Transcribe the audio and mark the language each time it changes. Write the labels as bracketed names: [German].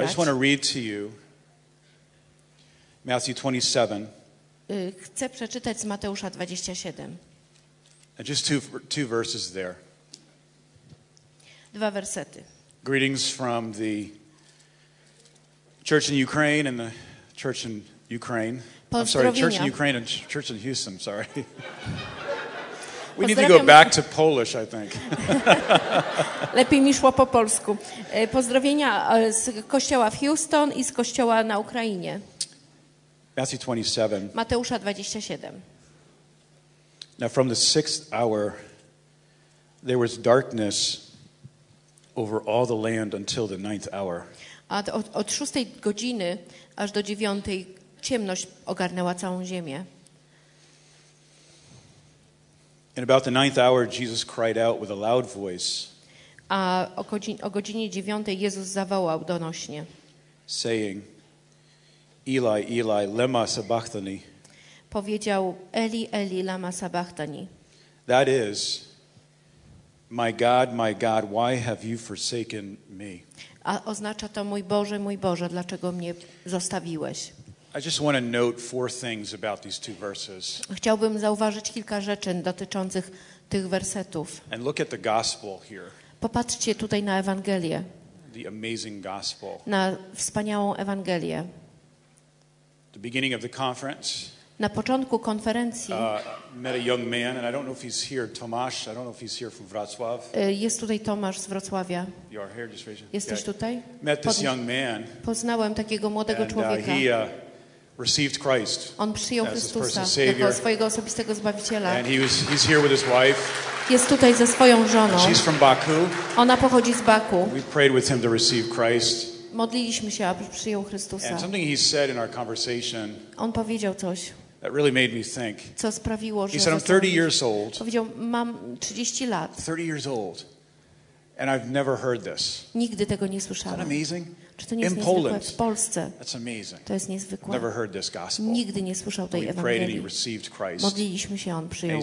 [English] I just want to read to you Matthew 27. [Polish] Chcę przeczytać z Mateusza 27. [English] And just two verses there. [Polish] Dwa wersety. [English] Greetings from the church in Ukraine and the church in Ukraine. I'm sorry, church in Ukraine and church in Houston, sorry. We need to go back to Polish, I think. [Polish] Lepiej mi szło po polsku. Pozdrowienia z kościoła w Houston i z kościoła na Ukrainie. [English] Matthew 27. [Polish] Mateusza 27. [English] Now from the sixth hour there was darkness over all the land until the ninth hour. [Polish] A od szóstej godziny aż do dziewiątej ciemność ogarnęła całą ziemię. [English] In about the ninth hour, Jesus cried out with a loud voice. [Polish] A o godzinie dziewiątej Jezus zawołał donośnie. [English] Saying, [Aramaic] Eli, Eli, lema sabachthani. [Polish] Powiedział, [Aramaic] Eli, Eli, lema sabachthani. [English] That is, my God, why have you forsaken me? [Polish] A oznacza to, mój Boże, dlaczego mnie zostawiłeś? [English] I just want to note four things about these two verses. [Polish] Chciałbym zauważyć kilka rzeczy dotyczących tych wersetów. [English] And look at the gospel here. [Polish] Popatrzcie tutaj na Ewangelię. [English] The amazing gospel. [Polish] Na wspaniałą Ewangelię. [English] The beginning of the conference. [Polish] Na początku konferencji. [English] Met a young man, and I don't know if he's here. Tomasz, I don't know if he's here from Wrocław. [Polish] Jest tutaj Tomasz z Wrocławia. [English] You are here, just raise your hand. [Polish] Jesteś tutaj? [English] Met this young man. [Polish] Poznałem takiego młodego człowieka. [English] And he received Christ [Polish] on przyjął Chrystusa jako swojego osobistego Zbawiciela. [English] And he's here with his wife. [Polish] jest tutaj ze swoją żoną. [English] She's from Baku. [Polish] Ona pochodzi z Baku. [English] We prayed with him to receive Christ. [Polish] Modliliśmy się, aby przyjął Chrystusa. [English] And something he said in our conversation. [Polish] On powiedział coś. [English] That really made me think. [Polish] Co sprawiło, że [English] he said, I'm 30 years old. [Polish] Powiedział, mam 30 lat. [English] 30 years old. And I've never heard this. [Polish] Nigdy tego nie słyszałem. [English] Isn't that amazing? [Polish] Czy to nie jest niezwykłe? W Polsce. [English] That's amazing. [Polish] To jest niezwykłe. [English] Never heard this gospel. [Polish] Nigdy nie słyszał tej Ewangelii. Modliliśmy się, on przyjął